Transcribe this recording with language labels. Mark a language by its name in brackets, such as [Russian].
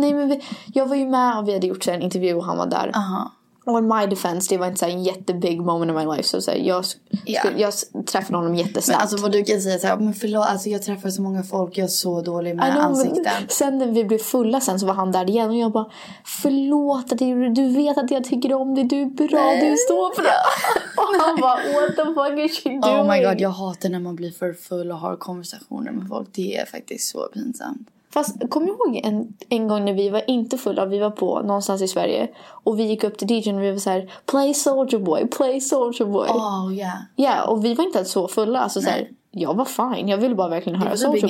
[Swedish] nej men jag var ju med och vi hade gjort en intervju och han var där. Och [English] in my defense, [Swedish] det var inte så en jättebig moment [English] in my life. [Swedish] Så jag träffade honom jättesnabbt. Men alltså vad du kan säga såhär, men förlåt, alltså, jag träffar så många folk, jag är så dålig med ansikten. Sen när vi blev fulla sen så var han där igen och jag bara, förlåt, du vet att jag tycker om dig, du är bra, du står bra. Och han bara, [English] what the fuck is she doing? Oh my god, [Swedish] jag hatar när man blir för full och har konversationer med folk, det är faktiskt så pinsamt. Fast kom ihåg en gång när vi var inte fulla, vi var på någonstans i Sverige och vi gick upp till DJ och vi var så här: play Soldier Boy, play Soldier Boy. [English] Oh yeah. [Swedish] Ja, och vi var inte så fulla, alltså så här, jag var fine, jag ville bara verkligen höra Soldier Boy.